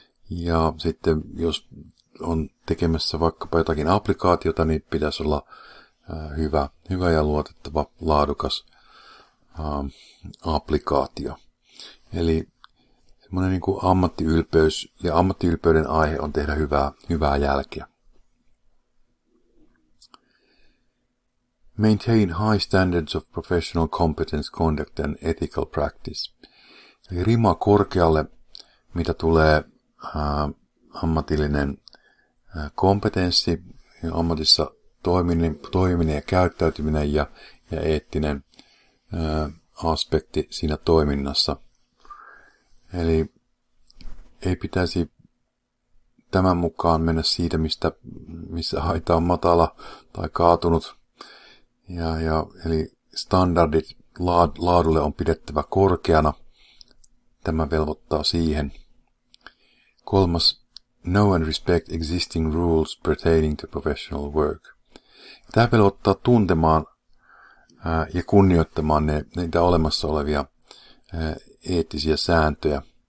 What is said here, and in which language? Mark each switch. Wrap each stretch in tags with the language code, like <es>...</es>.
<fi>Ja sitten jos on tekemässä vaikkapa jotakin applikaatiota, niin pitäisi olla hyvä ja luotettava, laadukas applikaatio. Eli semmoinen niin kuin ammattiylpeys ja ammattiylpeyden aihe on tehdä hyvää jälkeä.</fi> <en>Maintain high standards of professional competence, conduct and ethical practice.</en> <fi>Eli rima korkealle, mitä tulee ammatillinen kompetenssi, ammatissa toiminen ja käyttäytyminen ja eettinen aspekti siinä toiminnassa. Eli ei pitäisi tämän mukaan mennä siitä, missä haita on matala tai kaatunut. Eli standardit laadulle on pidettävä korkeana. Tämä velvoittaa siihen.</fi> <en>Kolmas, know and respect existing rules pertaining to professional work.</en> <fi>Tämä velvoittaa tuntemaan ja kunnioittamaan niitä olemassa olevia eettisiä sääntöjä.</fi>